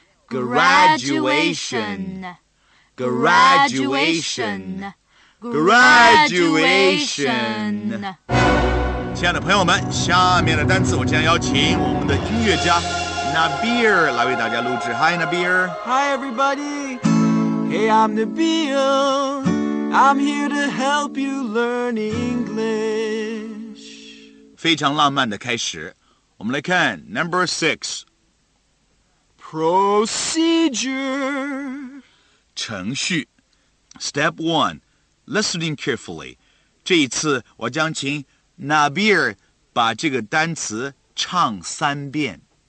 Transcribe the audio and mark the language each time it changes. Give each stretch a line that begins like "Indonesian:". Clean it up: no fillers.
English: Graduation.
Chinese: 亲爱的朋友们，下面的单词我将邀请我们的音乐家 Nabeer 来为大家录制。
English: Hi, Nabeer. Hi, everybody. Hey, I'm Nabeer. I'm here to help you learn English.
Chinese: 非常浪漫的开始。我们来看 Number 6.
English: Procedure.
Chinese: 程序。
English: Step 1, listening carefully.
Chinese: 这一次我将请 Nabeer 把这个单词唱三遍。